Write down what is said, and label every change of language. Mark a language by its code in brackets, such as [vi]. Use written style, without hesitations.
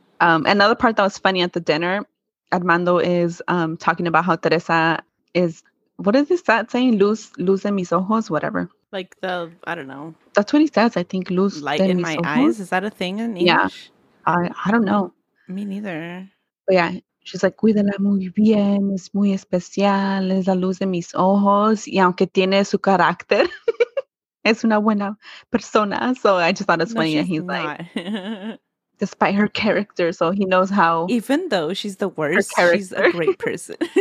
[en] Another part that was funny at the dinner, Armando is talking about how Teresa is, what is this that saying? [es] Luce mis ojos, [en] whatever. Like the, I don't know. That's what he says, I think. [es] Luz [en] light in my eyes. Is that a thing in English? Yeah. I don't know. Me neither. But yeah. She's like, [es] cuídala muy bien, es muy especial, es la luz de mis ojos, y aunque tiene su carácter, es una buena persona. [en] So I just thought it's funny that he's not. Like, despite her character, so he knows how. Even though she's the worst, she's a great person.